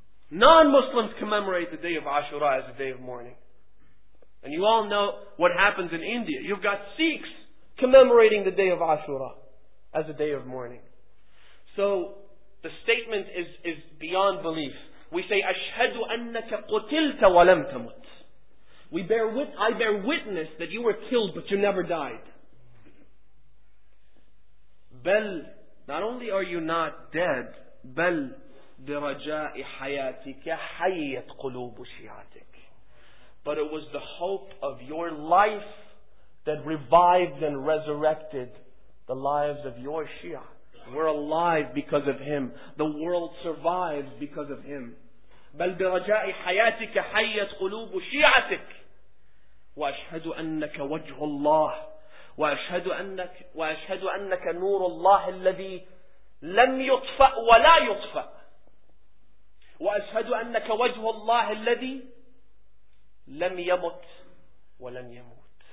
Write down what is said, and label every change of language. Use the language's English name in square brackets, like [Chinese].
[English] Non-Muslims commemorate the day of Ashura as a day of mourning. And you all know what happens in India. You've got Sikhs commemorating the day of Ashura as a day of mourning. So the statement is beyond belief. We say, [Arabic] أَشْهَدُ أَنَّكَ قُتِلْتَ وَلَمْ تَمُتْ. [English] I bear witness that you were killed, but you never died. [Arabic] بَلْ, [English] not only are you not dead, [Arabic] بَلْ بِرَجَاءِ حَيَاتِكَ حَيَّتْ قُلُوبُ شِيَاتِكَ. [English] But it was the hope of your life that revived and resurrected the lives of your Shia. We're alive because of him. The world survives because of him. [Arabic] بَلْ بِرَجَاءِ حَيَاتِكَ حَيَّتْ قُلُوبُ شِيَعَتِكَ وَأَشْهَدُ أَنَّكَ وَجْهُ اللَّهِ وَأَشْهَدُ أَنَّكَ نُورُ اللَّهِ الَّذِي لَمْ يُطْفَأْ وَلَا يُطْفَأْ وَأَشْهَدُ أَنَّكَ وَجْهُ اللَّهِ الَّذِي لَمْ يَمُتْ وَلَمْ يَمُوتْ.